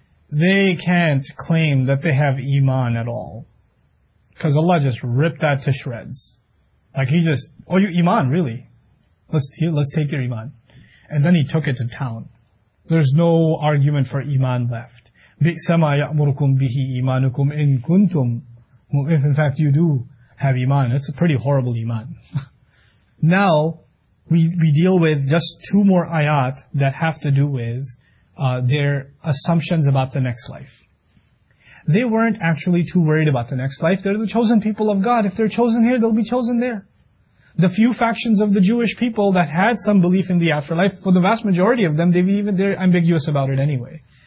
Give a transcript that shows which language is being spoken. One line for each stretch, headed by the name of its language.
English: They can't claim that they have iman at all. Because Allah just ripped that to shreds. Like you iman, really? Let's take your iman. And then he took it to town. There's no argument for iman left.
Arabic: بِئْسَمَا يَأْمُرُكُمْ بِهِ إِيمَانُكُمْ إِن كُنْتُمْ.
English: If in fact you do have iman. It's a pretty horrible iman. Now, we deal with just two more ayat that have to do with their assumptions about the next life. They weren't actually too worried about the next life. They're the chosen people of God. If they're chosen here, they'll be chosen there. The few factions of the Jewish people that had some belief in the afterlife, for the vast majority of them, they're ambiguous about it anyway.